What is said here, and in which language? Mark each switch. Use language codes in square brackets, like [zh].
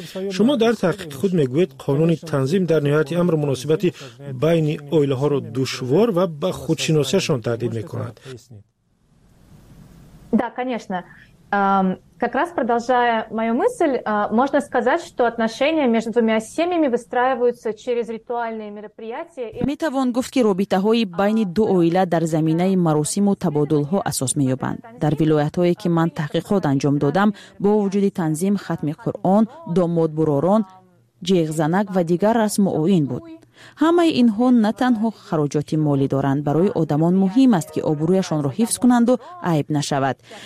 [tg] Шумо дар таҳқиқи худ мегӯед, қонуни танзим дар ниҳояти амр муносибати байни оилаҳоро душвор ва ба худшиносиашон таҳдид мекунад. [ru] Да, конечно. Как раз продолжая мою мысль, можно сказать, что отношения между двумя семьями выстраиваются через ритуальные мероприятия. [tg] Метавон гуфт, ки робитаҳои байни ду оила дар заминаи маросиму табодулҳо асос меёбанд. Дар вилоятҳое, ки ман таҳқиқот анҷом додам, бо вуҷуди танзим хатми Қуръон, домодбуророн, ҷиғзанак ва дигар расму оин буд. Ҳамаи инҳо на танҳо хароҷоти молӣ доранд, барои одамон муҳим аст, ки обрӯяшонро ҳифз кунанду айб нашавад.